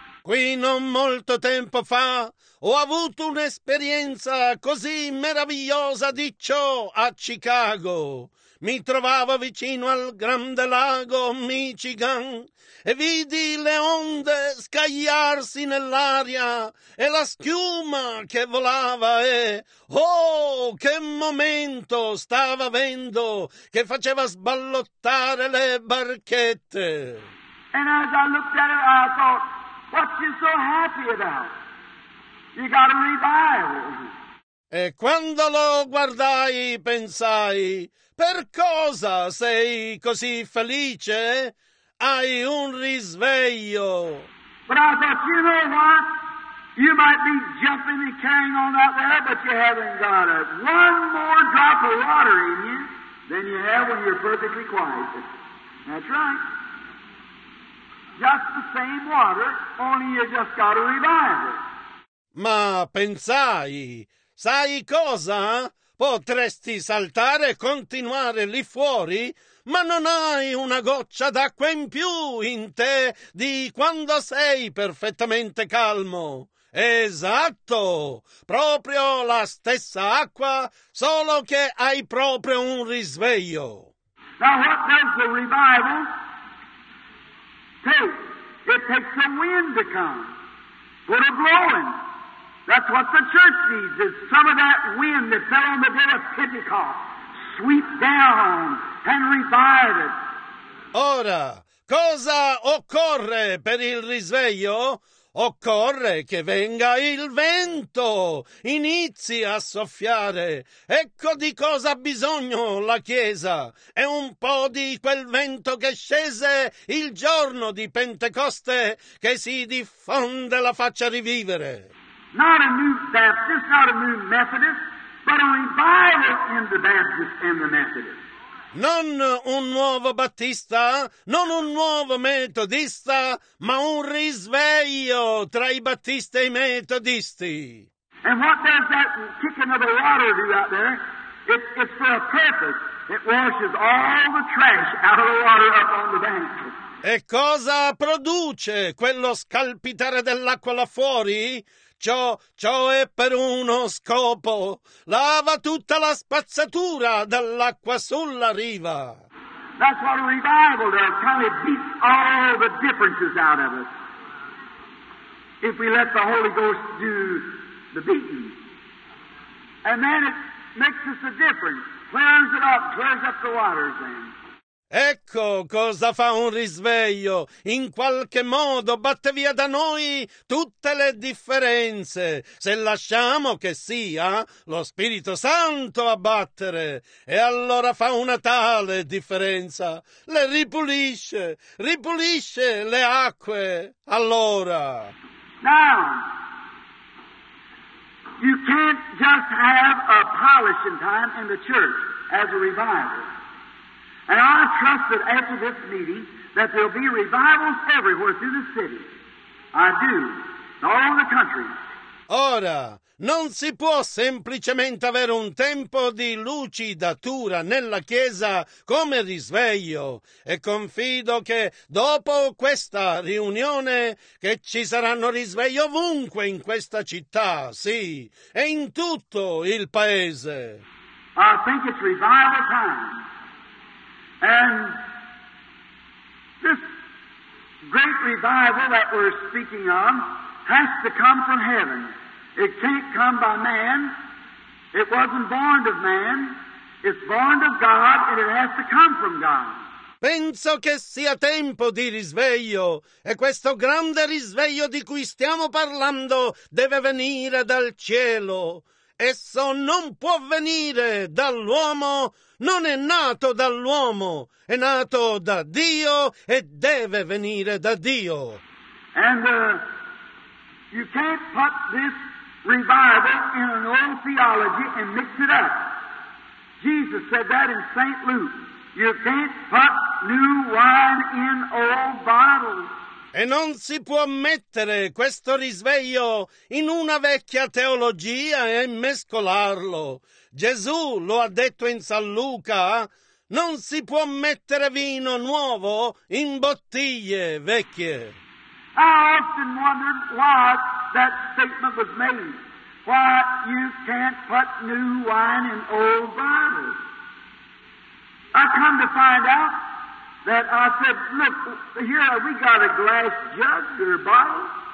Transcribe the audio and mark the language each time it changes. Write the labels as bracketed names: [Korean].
[Italian] Qui non molto tempo fa ho avuto un'esperienza così meravigliosa di ciò a Chicago. Mi trovavo vicino al grande lago Michigan e vidi le onde scagliarsi nell'aria e la schiuma che volava e oh, che momento stava avendo che faceva sballottare le barchette. [English] And as I looked at it, I thought, what you so happy about? You got a revival. [Italian] E quando lo guardai, pensai, per cosa sei così felice? Hai un risveglio. [English] But I thought, you know what? You might be jumping and carrying on out there, but you haven't got one more drop of water in you than you have when you're perfectly quiet. That's right. Just the same water, only you just got a revival. [Italian] Ma pensai, sai cosa? Potresti saltare e continuare lì fuori, ma non hai una goccia d'acqua in più in te di quando sei perfettamente calmo. Esatto, proprio la stessa acqua, solo che hai proprio un risveglio. [English] Now what does the revival take? It takes a wind to come, but a blowing. That's what the church needs, is some of that wind that fell on the day of Pentecost, sweep down and revive it. [Italian] Ora, cosa occorre per il risveglio? Occorre che venga il vento, inizi a soffiare. Ecco di cosa ha bisogno la Chiesa. È un po' di quel vento che scese il giorno di Pentecoste, che si diffonde la faccia rivivere. [English] Not a new Baptist, not a new Methodist, but a revival in the Baptist and the Methodist. [Italian] Non un nuovo Battista, non un nuovo Metodista, ma un risveglio tra i Battisti e i Metodisti. [English] And what does that kicking of the water do out there? It's for a purpose. It washes all the trash out of the water up on the bank. [Italian] E cosa produce quello scalpitare dell'acqua là fuori? Ciò è per uno scopo. Lava tutta la spazzatura dall'acqua sulla riva. [English] That's what a revival does. Kind of beats all the differences out of us. If we let the Holy Ghost do the beating. And then it makes us a difference. Clears up the waters then. [Italian] Ecco cosa fa un risveglio. In qualche modo batte via da noi tutte le differenze. Se lasciamo che sia lo Spirito Santo a battere, e allora fa una tale differenza. Le ripulisce le acque. Allora. [English] Now, you can't just have a polishing time in the church as a revival. And I trust that after this meeting that there'll be revivals everywhere through the city. I do. All over the country. [Italian] Ora, non si può semplicemente avere un tempo di lucidatura nella Chiesa come risveglio, e confido che dopo questa riunione che ci saranno risvegli ovunque in questa città, sì, e in tutto il paese. [English] I think it's revival time. And this great revival that we're speaking of has to come from heaven. It can't come by man. It wasn't born of man. It's born of God, and it has to come from God. [Italian] Penso che sia tempo di risveglio, e questo grande risveglio di cui stiamo parlando deve venire dal cielo. Esso non può venire dall'uomo, non è nato dall'uomo, è nato da Dio e deve venire da Dio. [English] And you can't put this revival in an old theology and mix it up. Jesus said that in St. Luke. You can't put new wine in old bottles. [Italian] E non si può mettere questo risveglio in una vecchia teologia e mescolarlo. Gesù lo ha detto in San Luca, non si può mettere vino nuovo in bottiglie vecchie. [English] I often wondered why that statement was made. Why you can't put new wine in old bottles. I come to find out that I said, look, here we got a glass jug or bottle.